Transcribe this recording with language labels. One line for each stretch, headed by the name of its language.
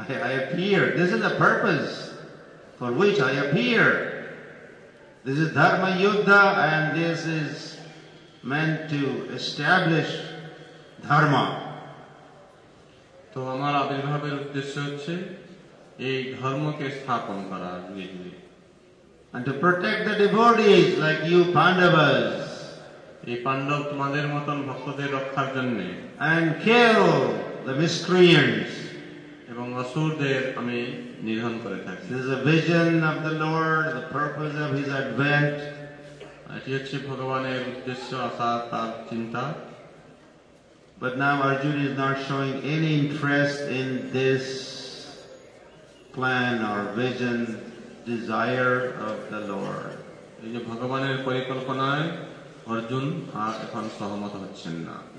English: I appear, this is the purpose for which I appear. This is dharma yuddha and this is meant to establish dharma.
Bangla: তো আমার আবির্ভাবের উদ্দেশ্য হচ্ছে এই ধর্মকে স্থাপন করা যুগে যুগে.
English: And to protect the devotees like you Pandavas.
Bangla: এই পাণ্ডব তোমাদের মতন ভক্তদের রক্ষার জন্য.
English: And kill the miscreants.
Bangla: এবং অসুরদের আমি নিধন করে থাকি.
English: This is a vision of the Lord, the purpose of his advent.
Bangla: এটি হচ্ছে ভগবানের উদ্দেশ্য অর্থাৎ তার চিন্তা.
English: But now Arjuna is not showing any interest in this plan or vision, desire of the Lord.
Bangla: এই যে ভগবানের পরিকল্পনায় অর্জুন আর এখন সহমত হচ্ছেন না.